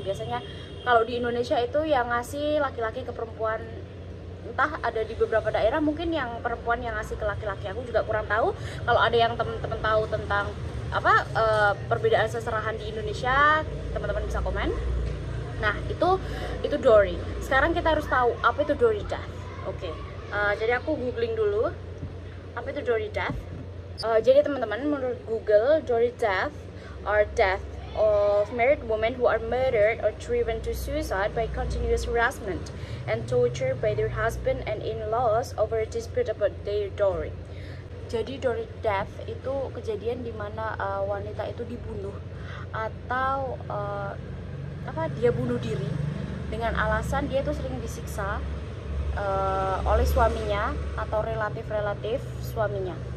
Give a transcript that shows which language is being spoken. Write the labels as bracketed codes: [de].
[id] Biasanya kalau di Indonesia itu yang ngasih laki-laki ke perempuan, entah ada di beberapa daerah mungkin yang perempuan yang ngasih ke laki-laki. Aku juga kurang tahu. Kalau ada yang teman-teman tahu tentang apa perbedaan seserahan di Indonesia, teman-teman bisa komen. Nah, itu Jory. Sekarang kita harus tahu apa itu Jory Death. Oke, jadi aku googling dulu apa itu Jory Death. Jadi teman-teman, menurut Google, [en] Jory Death are death of married women who are murdered or driven to suicide by continuous harassment and torture by their husband and in-laws over a dispute about their dowry. [id] Jadi Jory Death itu kejadian di mana wanita itu dibunuh atau dia bunuh diri dengan alasan dia itu sering disiksa oleh suaminya atau relatif-relatif suaminya.